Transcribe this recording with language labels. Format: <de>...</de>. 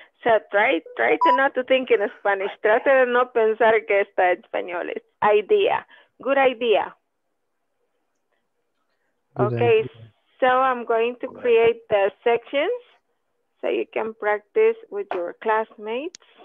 <en>So try to not to think in Spanish.</en> <es>Trate de no pensar que está en español.</es> <en>It's idea, good idea. Okay, so I'm going to create the sections so you can practice with your classmates.</en>